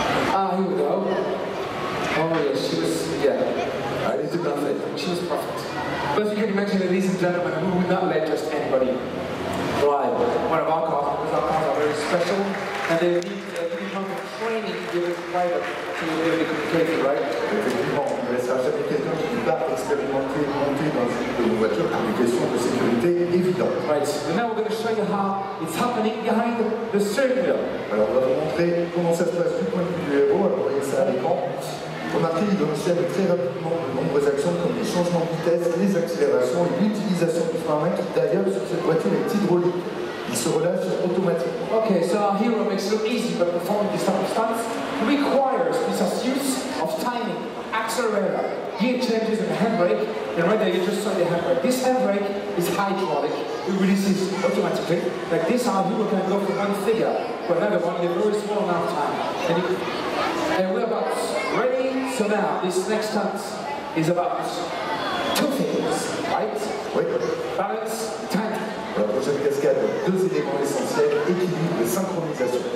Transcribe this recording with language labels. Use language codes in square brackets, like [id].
[en] Ah, here we go. Oh yes, she was, yeah. Ah, it's perfect. She was perfect. But you can imagine, ladies and gentlemen, who would not let just anybody drive one of our cars, because our cars are very special, and they need a lot of training to be able to drive to be complicated, right? [fr] Effectivement, on ne laissera jamais quelqu'un qui n'est pas expérimenté monter dans une voiture pour des questions de sécurité évidentes. [en] Right, and now we're going to show you how it's happening behind the steering wheel. [fr] Alors, on va vous montrer comment ça se passe du point de vue du héros. Alors, voyez ça à l'écran. Remarquez, il enchaîne très rapidement de nombreuses actions comme les changements de vitesse, les accélérations et l'utilisation du frein à main qui, d'ailleurs, sur cette voiture est hydraulique. Il se relâche automatiquement. [en] Ok, so our hero makes it look easy, but performing this type of stunts requires this use of timing, accelerator, gear changes and handbrake. And right there, you just saw the handbrake. This handbrake is hydraulic. It releases automatically. Like this, our hero can go from one figure to another one in a very small amount of time. And we're about ready. So now, this next stunt is about two things, right? [fr] Oui. [en] Balance, timing. [fr] La prochaine cascade, deux éléments essentiels, équilibre et synchronisation.